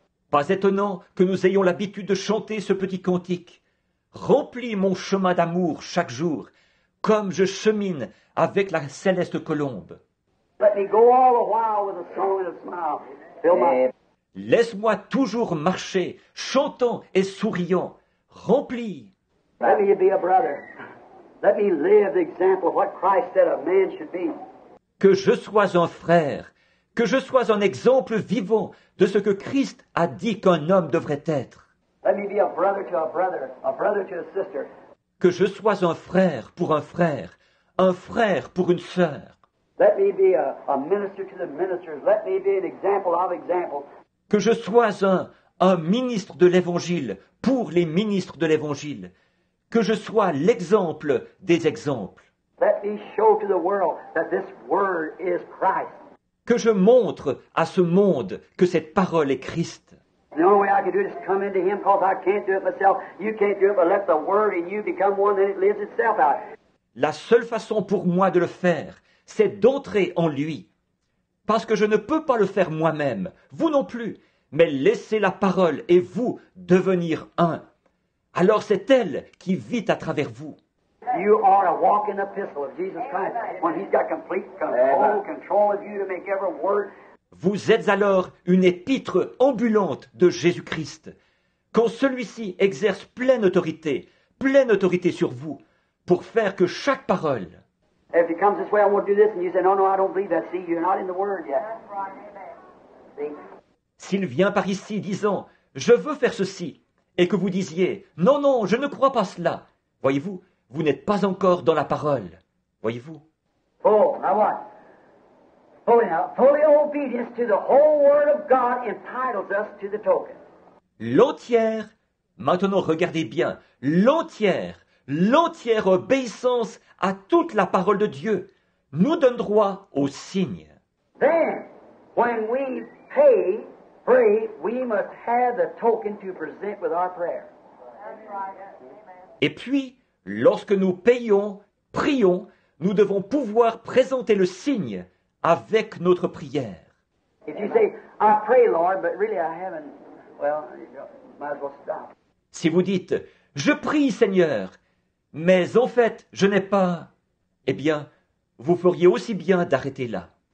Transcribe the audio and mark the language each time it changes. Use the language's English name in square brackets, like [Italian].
[French] Pas étonnant que nous ayons l'habitude de chanter ce petit cantique. Remplis mon chemin d'amour chaque jour, comme je chemine avec la céleste colombe. [English] Let me go all the while with a song and a smile. Fill my... [French] Laisse-moi toujours marcher, chantant et souriant, rempli. [English] Let me be a brother. Let me live the example of what Christ said a man should be. [French] Que je sois un frère, que je sois un exemple vivant de ce que Christ a dit qu'un homme devrait être. [English] Let me be a brother to a brother, a brother to a sister. [French] Que je sois un frère pour un frère pour une sœur. [English] Let me be a minister to the ministers. Let me be an example of example. [French] Que je sois un ministre de l'Évangile pour les ministres de l'Évangile. Que je sois l'exemple des exemples. [English] Let me show to the world that this word is Christ. [French] Que je montre à ce monde que cette parole est Christ. [English] The only way I can do it is come into Him because I can't do it myself. You can't do it, but let the word in you become one and it lives itself out. [French] La seule façon pour moi de le faire, c'est d'entrer en Lui. Parce que je ne peux pas le faire moi-même, vous non plus, mais laissez la parole et vous devenir un. Alors c'est elle qui vit à travers vous. [English] You are a walking epistle of Jesus Christ, when He's got complete control of you to make every word. [French] Vous êtes alors une épître ambulante de Jésus-Christ. Quand celui-ci exerce pleine autorité sur vous, pour faire que chaque parole... [English] If it comes this way, I won't do this. And you say, no, I don't believe that. See, you're not in the Word yet. [French] S'il vient par ici disant, je veux faire ceci, et que vous disiez, non, je ne crois pas cela. Voyez-vous, vous n'êtes pas encore dans la parole. Voyez-vous? [English] Oh, now what? Fully obedience to the whole Word of God entitles us to the token. [French] L'entière, maintenant regardez bien, l'entière obéissance à toute la parole de Dieu nous donne droit au signe. [English] Then, when we pray, we must have the token to present with our prayer. [French] Et puis, lorsque nous payons, prions, nous devons pouvoir présenter le signe avec notre prière. [English] If you say, I pray, Lord, but really I haven't, well, might as well stop. [French] Si vous dites, je prie, Seigneur, mais en fait, je n'ai pas... Eh bien, Vous feriez aussi bien d'arrêter là.